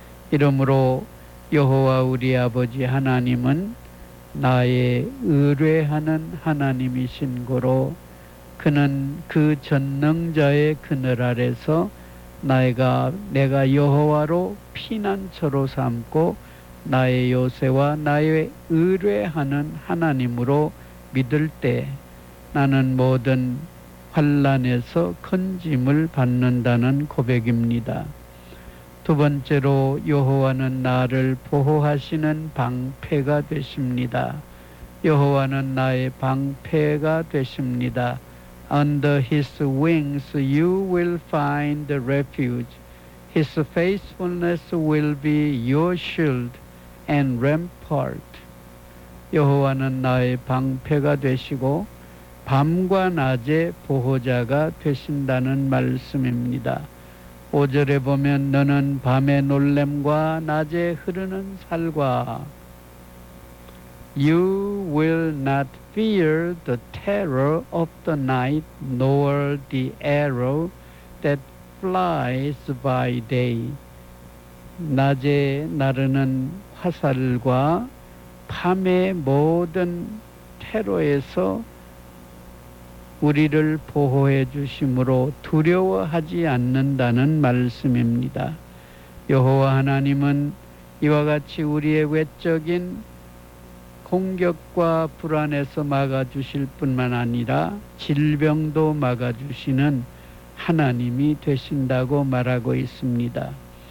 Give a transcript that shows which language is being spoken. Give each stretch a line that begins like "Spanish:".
Korean: 이러므로 여호와 우리 아버지 하나님은 나의 의뢰하는 하나님이신 고로 그는 그 전능자의 그늘 아래서 내가 여호와로 피난처로 삼고 나의 요새와 나의 의뢰하는 하나님으로 믿을 때 나는 모든 환난에서 건짐을 받는다는 고백입니다. 두 번째로 여호와는 나를 보호하시는 방패가 되십니다. 여호와는 나의 방패가 되십니다.
English: Under his wings you will find refuge. His faithfulness will be your shield and rampart.
Korean: 여호와는 나의 방패가 되시고 밤과 낮의 보호자가 되신다는 말씀입니다. 5절에 보면 너는 밤의 놀람과 낮의 흐르는 살과
English: You will not fear the terror of the night nor the arrow that flies by day.
Korean: 낮에 나르는 화살과 밤의 모든 테러에서 우리를 보호해 주심으로 두려워하지 않는다는 말씀입니다. 여호와 하나님은 이와 같이 우리의 외적인 공격과 불안에서 막아주실 뿐만 아니라 질병도 막아주시는 하나님이 되신다고 말하고 있습니다.